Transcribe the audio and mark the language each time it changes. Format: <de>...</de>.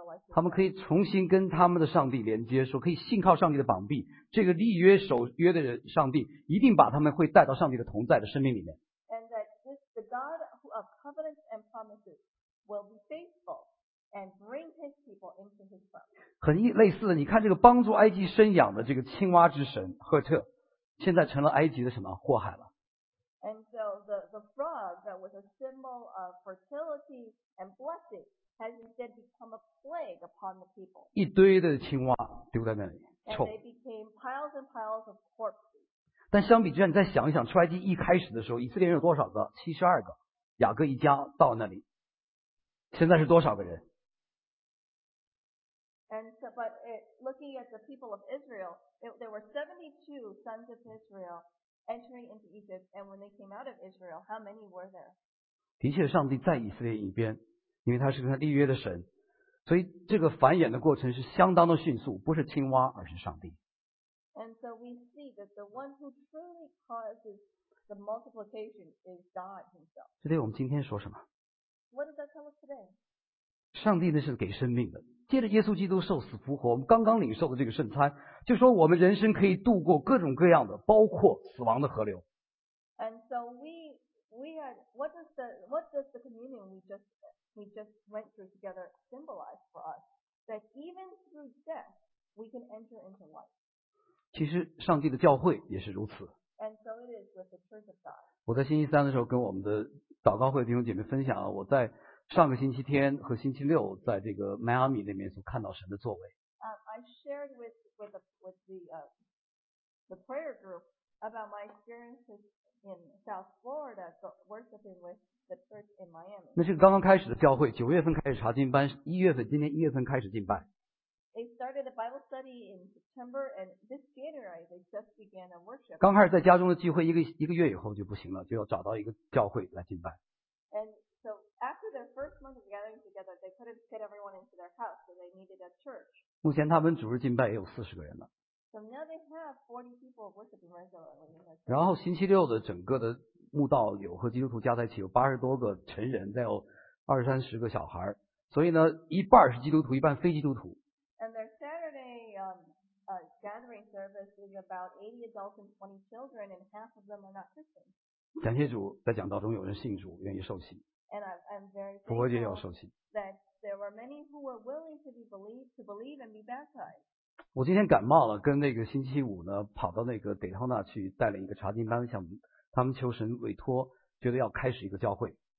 <zh>他们可以重新跟他们的上帝连接，说可以信靠上帝的膀臂，这个立约守约的人上帝一定把他们会带到上帝的同在的生命里面。</zh> <en>And that this the God of covenants and promises will be faithful and bring his people into his promise.</en> <zh>很类似的，你看这个帮助埃及生养的这个青蛙之神赫特，现在成了埃及的什么祸害了。</zh> <en>And so the frog that was a symbol of fertility and blessing has instead become a plague upon the people.</en> <zh>一堆的青蛙丢在那里，臭。</zh> <en>And they became piles and piles of corpses.</en> <zh>但相比之下，你再想一想，出埃及一开始的时候，以色列人有多少个？ 72个，雅各一家到那里，现在是多少个人</zh> <en>？And so, but it, looking at the people of Israel, there were 72 sons of Israel. Entering into Egypt, and when they came out of Israel, how many were there?</en> <zh>的确，上帝在以色列一边，因为他是跟他立约的神，所以这个繁衍的过程是相当的迅速，不是青蛙，而是上帝。</zh> <en>And so we see that the one who truly causes the multiplication is God himself.</en> <zh>这对我们今天说什么</zh> <en>？What does that tell us today?</en> <zh>上帝呢是给生命的，借着耶稣基督受死复活，我们刚刚领受的这个圣餐。就说我们人生可以度过各种各样的，包括死亡的河流。</zh> <en>And so we had what does the communion we just went through together symbolize for us that even through death we can enter into life.</en> <zh>其实上帝的教会也是如此。</zh> <en>And so it is with the Church of God.</en> <zh>我在星期三的时候跟我们的祷告会的弟兄姐妹分享，我在上个星期天和星期六在这个迈阿密那边所看到神的作为。</zh> <en>I shared with the the prayer group about my experiences in South Florida worshiping with the church in Miami.</en> <zh>那是刚刚开始的教会，九月份开始查经班，一月份，今年一月份开始敬拜。</zh> <en>They started a Bible study in September, and this January they just began a worship.</en> <zh>刚开始在家中的聚会，一个月以后就不行了，就要找到一个教会来敬拜。</zh> <en>And so after their first month of gathering together, they couldn't fit everyone into their house, so they needed a church.</en> <zh>目前他们主日敬拜也有四十个人了。</zh> <en>So now they have 40 people worshiping regularly.</en> <zh>然后星期六的整个的慕道友和基督徒加在一起有八十多个成人，再有二三十个小孩，所以呢，一半是基督徒，一半非基督徒。</zh> <en>And their Saturday gathering service is about 80 adults and 20 children, and half of them are not Christians.</en> <zh>感谢主，在讲道中有人信主，愿意受洗。</zh> <en>And I'm very thankful.</en> <zh>复活节要受洗。</zh> <en>That there were many who were willing to be believed, to believe and be baptized.</en> <zh>我今天感冒了，跟那个星期五呢，跑到那个德塔纳去带了一个查经班，向他们求神委托，觉得要开始一个教会。</zh>